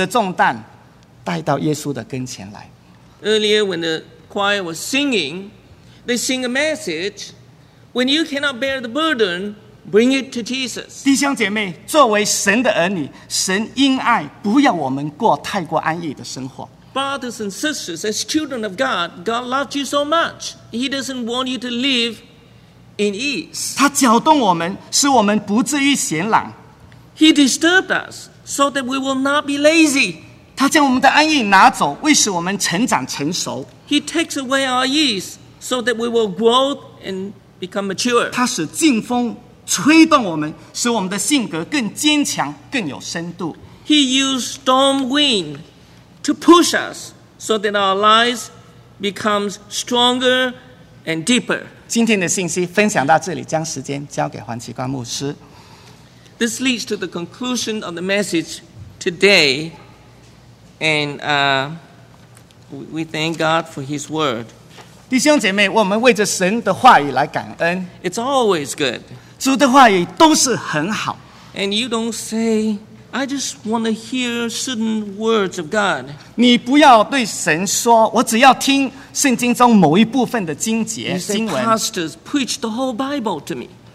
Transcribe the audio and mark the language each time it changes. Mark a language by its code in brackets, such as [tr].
[zh] 早些时候诗班唱歌的信息说，把你挑不起的重担带到耶稣的跟前来。 [en] Earlier when the choir was singing, they sing a message, when you cannot bear the burden, bring it to Jesus. [zh] 弟兄姐妹，作为神的儿女，神因爱，不要我们过太过安逸的生活。 [en] Brothers and sisters, as children of God, God loves you so much. He doesn't want you to live in ease. [zh] 他搅动我们，使我们不至于闲懒。 [en] He disturbed us so that we will not be lazy. [zh] 他将我们的安逸拿走，为使我们成长成熟。 [en] He takes away our ease so that we will grow and become mature. [zh] 他使劲风吹动我们，使我们的性格更坚强，更有深度。 [en] He used storm wind to push us so that our lives become stronger and deeper. [zh] 今天的信息分享到这里，将时间交给黄启光牧师。 [en] This leads to the conclusion of the message today, and we thank God for His word. [zh] 弟兄姐妹，我们为着神的话语来感恩。 [en] It's always good. [zh] 主的话语都是很好。 [en] And you don't say, I just want to hear certain words of God. [zh] 你不要对神说，我只要听圣经中某一部分的经节经文。 [en] You say, pastors preach the whole Bible to me.